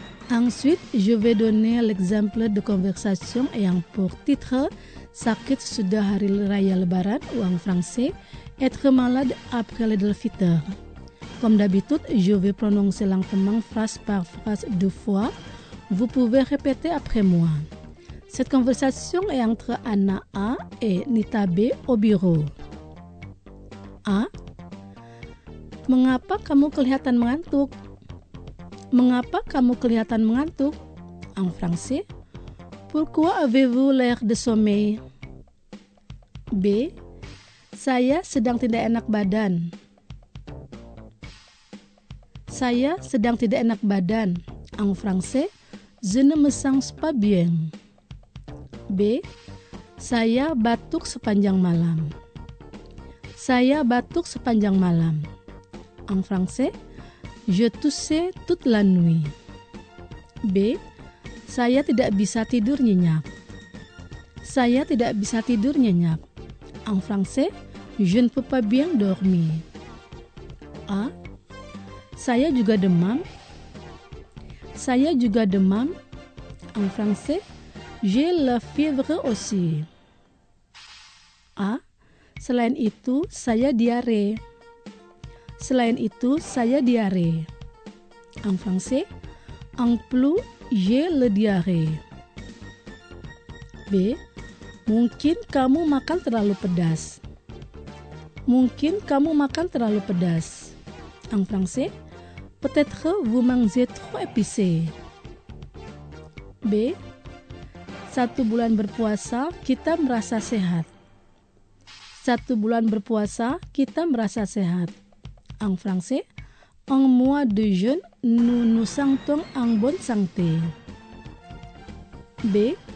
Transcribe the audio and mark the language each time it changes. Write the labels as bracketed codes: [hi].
[fr] Ensuite, je vais donner l'exemple de conversation ayant pour titre [id] Sakit sudah hari raya lebaran [fr] ou en français, être malade après l'Eid al-Fitr. Comme d'habitude, je vais prononcer lentement phrase par phrase deux fois. Vous pouvez répéter après moi. Cette conversation est entre Anna A et Nita B au bureau. A. [id] Mengapa kamu kelihatan mengantuk? Mengapa kamu kelihatan mengantuk? [fr] En français. Pourquoi avez-vous l'air de sommeil? B. [id] Saya sedang tidak enak badan. saya sedang tidak enak badan. [fr] En français, je ne me sens pas bien. B. [id] Saya batuk sepanjang malam. Saya batuk sepanjang malam. [fr] En français, je toussais toute la nuit. B. [id] Saya tidak bisa tidur nyenyak. Saya tidak bisa tidur nyenyak. [fr] En français, je ne peux pas bien dormir. A. [id] Saya juga demam. Saya juga demam. [fr] En français, j'ai la fièvre aussi. A. [id] Selain itu, saya diare. Selain itu, saya diare. [fr] En français, en plus, j'ai le diarrhée. B. [id] Mungkin kamu makan terlalu pedas. Mungkin kamu makan terlalu pedas. [fr] En français, peut-être vous mangez trop épicé. B. [id] Satu bulan berpuasa, kita merasa sehat. Satu bulan berpuasa, kita merasa sehat. [fr] En français, en mois de jeûne, nous nous sentons en bonne santé. B.